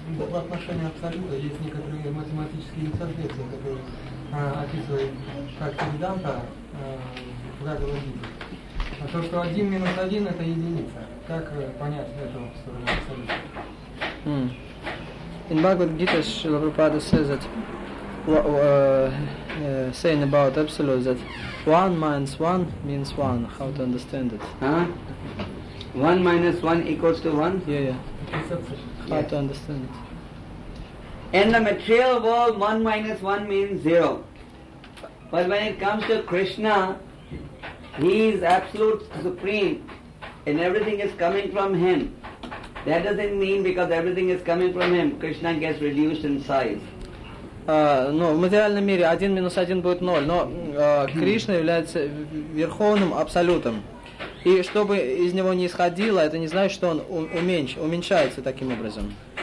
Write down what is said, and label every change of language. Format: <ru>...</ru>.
<ru>по отношению абсолюта есть некоторые математические несоответствия, которые описывает как Веданта Бхагавад Гита. А то, что 1 минус 1 это единица. Как понять эту сторону абсолюта?</ru> <en>In Bhagavad Gita, Srila Prabhupada says that saying about absolute that 1 minus 1 means 1. How to understand it? Huh? 1 minus 1 equals to 1? Yeah. How to understand it? In the material world, 1 minus 1 means 0. But when it comes to Krishna, He is absolute supreme and everything is coming from Him. That doesn't mean because everything is coming from Him, Krishna gets reduced in size.</en> <ru>В материальном мире 1 минус 1 будет 0, но Кришна является верховным абсолютом. И что бы из него ни исходило, это не значит, что он уменьшается таким образом.</ru>